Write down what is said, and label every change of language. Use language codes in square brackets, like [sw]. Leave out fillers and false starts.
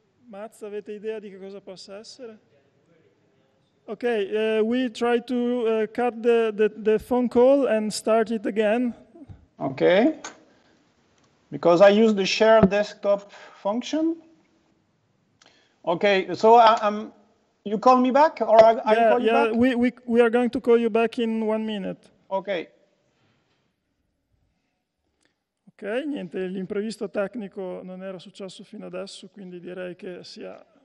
[it] Mats, avete idea di che cosa possa essere? [en] Okay, we try to cut the phone call and start it again. Okay, because I use the share desktop function. Okay, so you call me back or I Yeah, call you back? we are going to call you back in 1 minute. Okay. [it] Ok, niente, l'imprevisto tecnico non era successo fino adesso, quindi direi che sia.